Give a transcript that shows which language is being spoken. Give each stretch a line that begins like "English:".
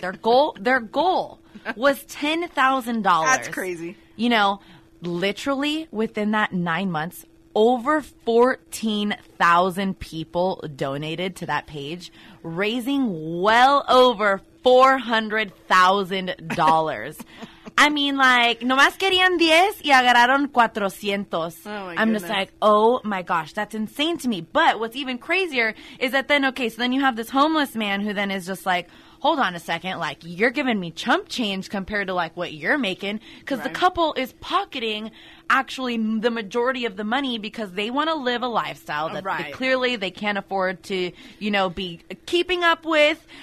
English: Their goal was $10,000. That's crazy. You know, literally within that 9 months, over 14,000 people donated to that page, raising well over $400,000. I mean, like,
Spanish: nomás querían 10 y agarraron 400.
English: I'm just like, oh my gosh, that's insane to me. But what's even crazier is that then you have this homeless man who then is just like, hold on a second, like, you're giving me chump change compared to, like, what you're making. Because the couple is pocketing, actually, the majority of the money because they want to live a lifestyle that clearly they can't afford to, you know, be keeping up with.